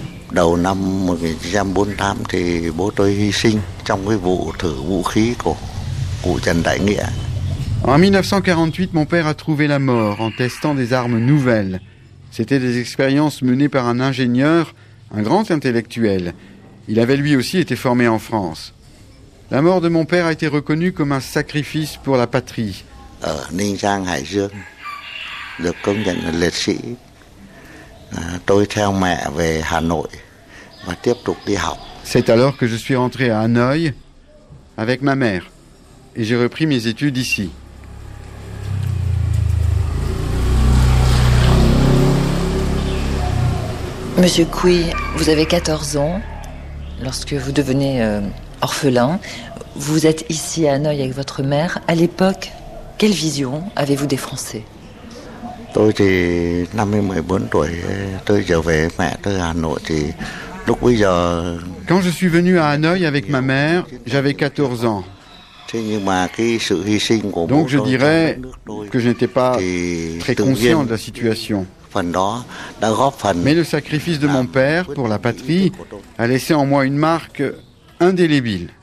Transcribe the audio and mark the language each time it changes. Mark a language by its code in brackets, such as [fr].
[vi] Đầu năm 1948 thì bố tôi hy sinh trong cái vụ thử vũ khí của cụ Trần Đại Nghĩa. [fr] En 1948, mon père a trouvé la mort en testant des armes nouvelles. C'était des expériences menées par un ingénieur, un grand intellectuel. Il avait lui aussi été formé en France. La mort de mon père a été reconnue comme un sacrifice pour la patrie. [vi] Ở Ninh Giang, Hải Dương, được công nhận là liệt sĩ. Tôi theo mẹ về Hà Nội và tiếp tục đi học. [fr] C'est alors que je suis rentré à Hanoï avec ma mère et j'ai repris mes études ici. Monsieur Quy, vous avez 14 ans lorsque vous devenez orphelin. Vous êtes ici à Hanoï avec votre mère. À l'époque, quelle vision avez-vous des Français ? [vi] Tôi thì năm 14 tuổi tôi trở về mẹ tôi Hà Nội thì [fr] Quand je suis venu à Hanoï avec ma mère, j'avais 14 ans. Donc je dirais que je n'étais pas très conscient de la situation. Mais le sacrifice de mon père pour la patrie a laissé en moi une marque indélébile.